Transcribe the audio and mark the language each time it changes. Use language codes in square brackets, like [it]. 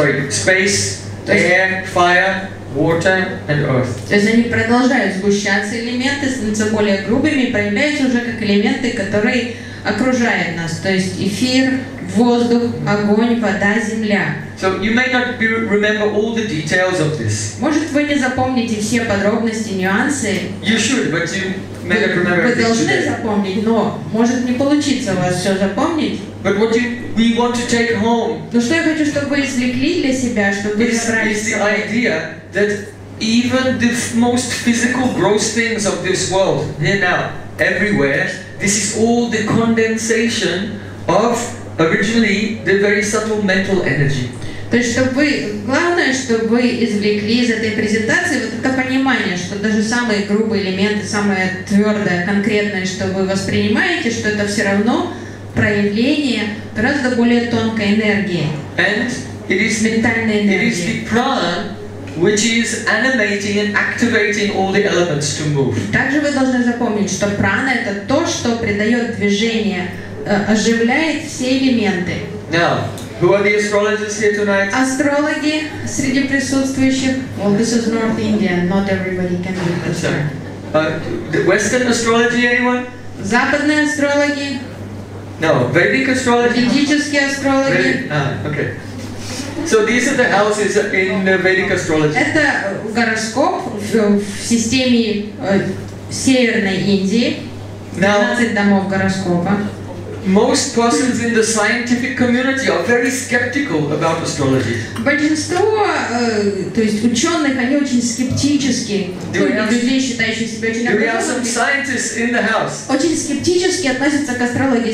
[en] Space, air, fire, water, and earth. [ru] То есть они продолжают сгущаться, элементы становятся более грубыми, проявляются уже как элементы, которые окружают нас. То есть эфир, воздух, огонь, вода, земля. [en] So you may not remember all the details of this. [ru] Может, вы не запомните все подробности, нюансы. [en] You should, but you may not remember everything. [ru] Вы должны запомнить, но может не получиться у вас все запомнить. [en] But what we want to take home. [ru] Но что я хочу, чтобы вы извлекли для себя, чтобы вы забрали. [en] Is the idea that even the most physical, gross things of this world, here now, everywhere, this is all the condensation of originally the very subtle mental energy. [ru] То есть, чтобы главное, чтобы извлекли из этой презентации вот это понимание, что даже самые грубые элементы, самое твердое, конкретное, что вы воспринимаете, что это все равно проявление гораздо более тонкой энергии. [en] And it is [ru] ментальной энергии. [en] It is the prana which is animating and activating all the elements to move. [ru] Также вы должны запомнить, что прана это то, что придает движение. Оживляет все элементы. [en] Now, who are the astrologers here tonight? [ru] Астрологи среди присутствующих. [en] Well, this is North Indian. Not everybody can be. I'm sorry. The Western astrology, anyone? [ru] Западные астрологи. [en] No, Vedic astrology. [ru] Ведические астрологи. [en] Okay. So these are the houses in the Vedic astrology. [ru] Это гороскоп в системе Северной Индии. 12 домов гороскопа. [en] Most persons in the scientific community are very skeptical about astrology. [ru] Большинство, то есть ученых, они очень скептически, люди, считающие себя очень образованными, очень скептически относятся к астрологии.